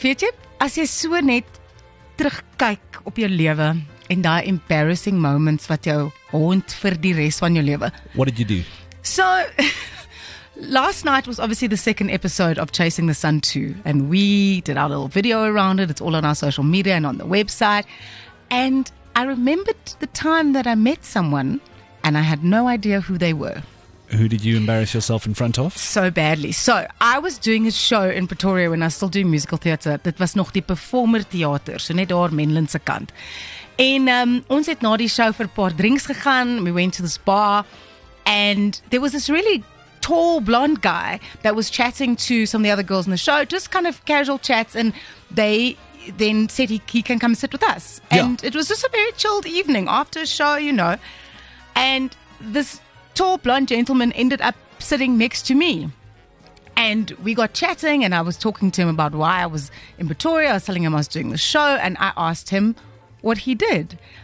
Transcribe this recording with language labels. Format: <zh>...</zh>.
<af>weet jy, as jy so net terugkyk op jou lewe en daai embarrassing moments wat jou haunt vir die res van jou lewe.</af> <en>What did you do? So last night was obviously the second episode of Chasing the Sun 2 and we did our little video around it. It's all on our social media and on the website. And I remembered the time that I met someone and I had no idea who they were. Who did you embarrass yourself in front of? So badly. So, I was doing a show in Pretoria when I was still doing musical theatre.</en> <af>Dit was nog die performer theater, so net daar Menlinse kant. En ons het na die show vir paar drinks gegaan.</af> <en>We went to this bar and there was this really tall blonde guy that was chatting to some of the other girls in the show, just kind of casual chats, and they then said he can come sit with us. And yeah, it was just a very chilled evening after a show, you know. And this tall blonde gentleman ended up sitting next to me and we got chatting and I was talking to him about why I was in Pretoria. I was telling him I was doing the show and I asked him what he did.</en>